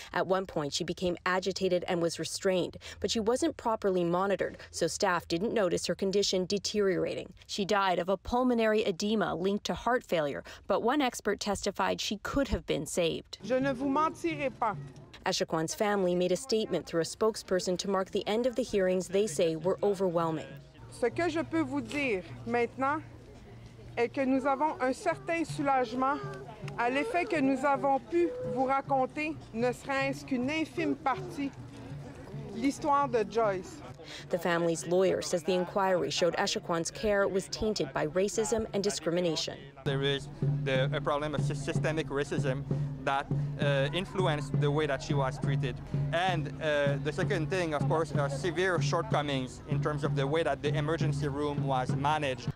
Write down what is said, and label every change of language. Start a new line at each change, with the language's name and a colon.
English: At one point, she became agitated and was restrained, but she wasn't properly monitored, so staff didn't notice her condition deteriorating. She died of a pulmonary edema linked to heart failure, but one expert testified she could have been saved.
French: Je ne vous mentirai pas.
English: Echaquan's family made a statement through a spokesperson to mark the end of the hearings they say were overwhelming.
French: Ce que je peux vous dire maintenant, et que nous avons un certain soulagement à l'effet que nous avons pu vous raconter, ne serait-ce qu'une infime partie, l'histoire de Joyce.
English: The family's lawyer says the inquiry showed Echaquan's care was tainted by racism and discrimination. There is a problem of systemic racism that influenced the way that she was treated. And the second thing, of course, are severe shortcomings in terms of the way that the emergency room was managed.